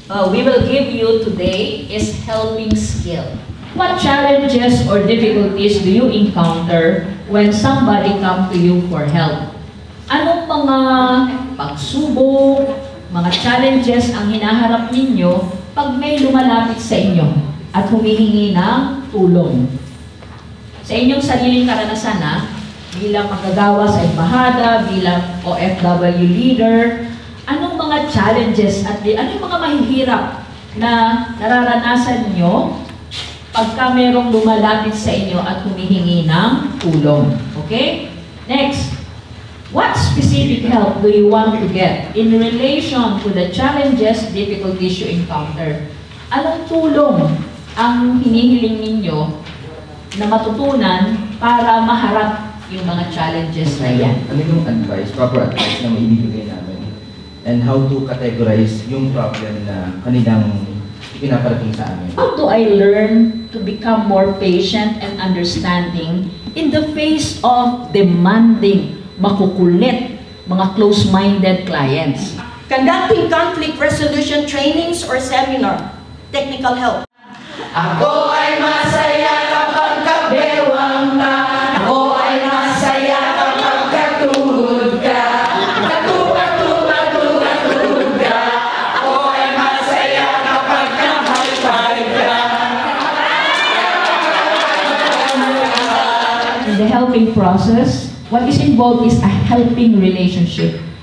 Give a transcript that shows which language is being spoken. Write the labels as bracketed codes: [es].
[en] We will give you today is helping skill. What challenges or difficulties do you encounter when somebody comes to you for help? [tl] Ano mga pagsubok, mga challenges ang hinaharap ninyo pag may lumalapit sa inyo at humihingi ng tulong? Sa inyong sariling karanasan, ha, bilang magagawa sa embahada, bilang OFW leader, anong mga challenges at anong mga mahihirap na nararanasan nyo pagka mayroong lumalapit sa inyo at humihingi ng tulong? [en] Okay? Next. What specific help do you want to get in relation to the challenges, difficulties you encounter? [tl] Anong tulong ang hinihiling ninyo na matutunan para maharap yung mga challenges na yan? Ano yung advice, proper advice na maibigay namin? [en] And how to categorize [tl] yung problem na kanilang pinaparating sa amin? [en] How do I learn to become more patient and understanding in the face of demanding, makukulit, mga close-minded clients? Conducting conflict resolution trainings or seminar. Technical help. [tl] Ako ay masaya kapag kabewang ka. Ako ay masaya kapag katulog ka. Katulog ka. Ako ay masaya kapag ka-high-five ka. [en] In the helping process, what is involved is a helping relationship.